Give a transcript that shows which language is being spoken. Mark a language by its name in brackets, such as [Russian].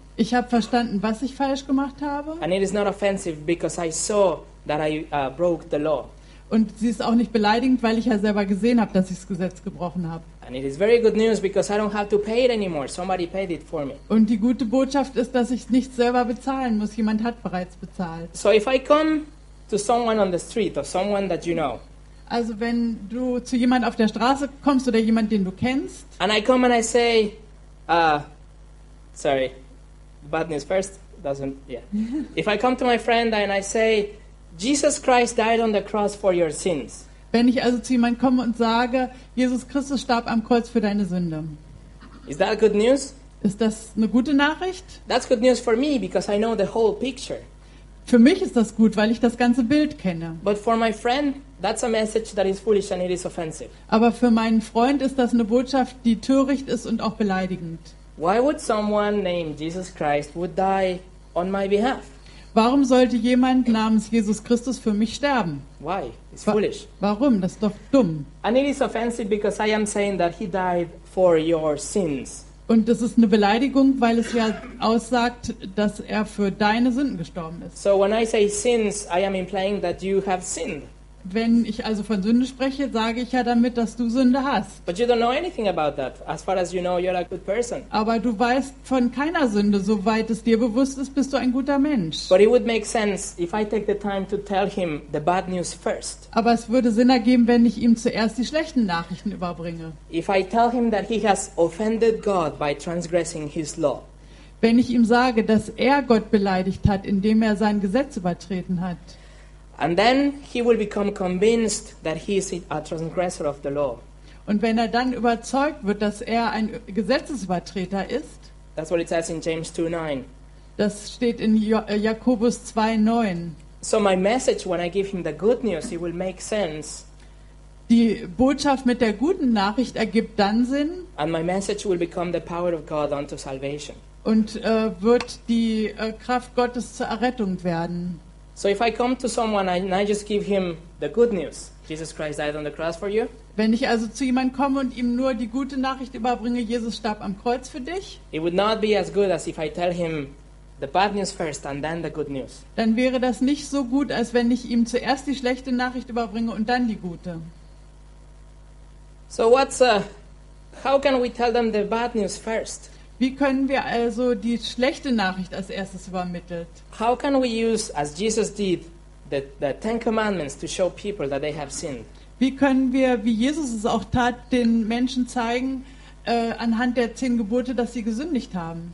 [German] Ich habe verstanden, was ich falsch gemacht habe. [English] And it is not offensive because I saw that I broke the law. [German] Und sie ist auch nicht beleidigend, weil ich ja selber gesehen habe, dass ich das Gesetz gebrochen habe. [English] And it is very good news because I don't have to pay it anymore. Somebody paid it for me. [German] Und die gute Botschaft ist, dass ich es nicht selber bezahlen muss. Jemand hat bereits bezahlt. [English] So if I come to someone on the street or someone that you know. [German] Also wenn du zu jemand auf der Straße kommst oder jemand, den du kennst. [English] And I come and I say, sorry. Bad news first, doesn't, yeah. If I come to my friend and I say, Jesus Christ died on the cross for your sins. [German] Wenn ich also zu jemandem komme und sage, Jesus Christus starb am Kreuz für deine Sünde. [English] Is that good news? [German] Ist das eine gute Nachricht? [English] That's good news for me because I know the whole picture. [German] Für mich ist das gut, weil ich das ganze Bild kenne. [English] But for my friend, that's a message that is foolish and it is offensive. [German] Aber für meinen Freund ist das eine Botschaft, die töricht ist und auch beleidigend. [English] Why would someone named Jesus Christ would die on my behalf? [German] Warum sollte jemand namens Jesus Christus für mich sterben? [English] Why? It's foolish. [German] Warum? Das ist doch dumm. [English] And it is offensive because I am saying that he died for your sins. [German] Und das ist eine Beleidigung, weil es ja aussagt, dass er für deine Sünden gestorben ist. [English] So when I say sins, I am implying that you have sinned. [German] Wenn ich also von Sünde spreche, sage ich ja damit, dass du Sünde hast. [English] But you don't know anything about that. As far as you know, you're a good person. [German] Aber du weißt von keiner Sünde, soweit es dir bewusst ist, bist du ein guter Mensch. [English] But it would make sense if I take the time to tell him the bad news first. [German] Aber es würde Sinn ergeben, wenn ich ihm zuerst die schlechten Nachrichten überbringe. [English] If I tell him that he has offended God by transgressing his law. [German] Wenn ich ihm sage, dass er Gott beleidigt hat, indem er sein Gesetz übertreten hat. [English] And then he will become convinced that he is a transgressor of the law. [German] Und wenn er dann überzeugt wird, dass er ein Gesetzesübertreter ist. [English] That's what it says in James 2:9. [German] Das steht in Jakobus 2:9. [English] So my message when I give him the good news, it will make sense. [German] Die Botschaft mit der guten Nachricht ergibt dann Sinn. [English] And my message will become the power of God unto salvation. [German] Und wird die Kraft Gottes zur Errettung werden. [English] So if I come to someone and I just give him the good news, Jesus Christ died on the cross for you. [German] Wenn ich also zu jemandem komme und ihm nur die gute Nachricht überbringe, Jesus starb am Kreuz für dich. [English] It would not be as good as if I tell him the bad news first and then the good news. [German] Dann wäre das nicht so gut, als wenn ich ihm zuerst die schlechte Nachricht überbringe und dann die gute. [English] So what's how can we tell them the bad news first? [German] Wie können wir also die schlechte Nachricht als erstes übermitteln? [English] How can we use, as Jesus did, the Ten Commandments to show people that they have sinned? [German] Wie können wir, wie Jesus es auch tat, den Menschen zeigen, anhand der 10 Gebote, dass sie gesündigt haben?